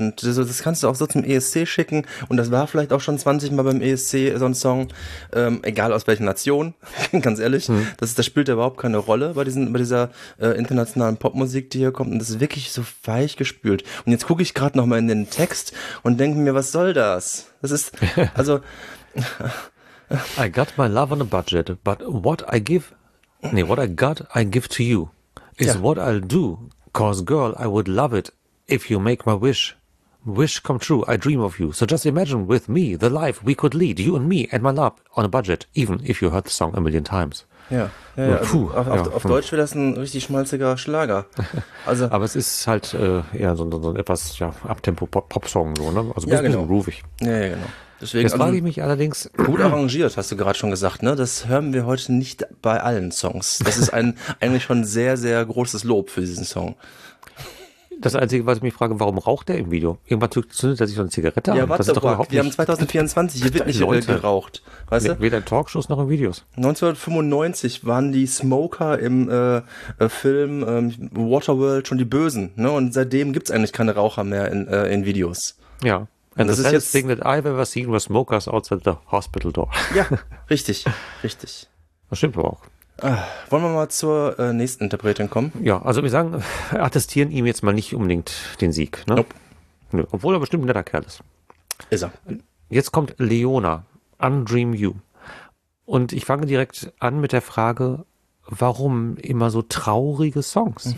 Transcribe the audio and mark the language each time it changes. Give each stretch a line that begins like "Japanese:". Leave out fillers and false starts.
German: Und das kannst du auch so zum ESC schicken. Und das war vielleicht auch schon 20 Mal beim ESC so ein Song. Egal aus welcher Nation. Ganz ehrlich. Das spielt ja überhaupt keine Rolle bei dieser internationalen Popmusik, die hier kommt. Und das ist wirklich so weich gespült. Und jetzt gucke ich gerade nochmal in den Text und denke mir, was soll das? Das ist, also.
English: I got my love on a budget, but what I got, I give to you. Is yeah. What I'll do, cause girl, I would love it if you make my wish come true. I dream of you. So just imagine with me the life we could lead, you and me and my love on a budget, even if you heard the song a million times.
German: Ja. Puh, also auf Deutsch wäre das ein richtig schmalziger Schlager. Also. Aber es ist halt eher so ein etwas Abtempo Pop-Song so, ne? Also ein bisschen groovig. Ja, genau. Deswegen, jetzt frage ich mich allerdings. Gut arrangiert, hast du gerade schon gesagt, ne? Das hören wir heute nicht bei allen Songs. Das ist eigentlich schon sehr, sehr großes Lob für diesen Song. Das Einzige, was ich mich frage, warum raucht der im Video? Irgendwann zündet er sich so eine Zigarette an. Ja, warte, doch überhaupt, wir haben 2024, hier wird nicht Leute geraucht. Weißt du? Weder in Talkshows noch in Videos. 1995 waren die Smoker im Film Waterworld schon die Bösen, ne? Und seitdem gibt es eigentlich keine Raucher mehr in Videos. Ja.
English: And das the saddest thing that I've ever seen was smokers outside the hospital door.
German: Ja, richtig. Das stimmt aber auch. Wollen wir mal zur nächsten Interpretin kommen? Ja, also wir sagen, attestieren ihm jetzt mal nicht unbedingt den Sieg. Ne? Nope. Obwohl er bestimmt ein netter Kerl ist. Ist er. Jetzt kommt Leona, Undream You. Und ich fange direkt an mit der Frage, warum immer so traurige Songs?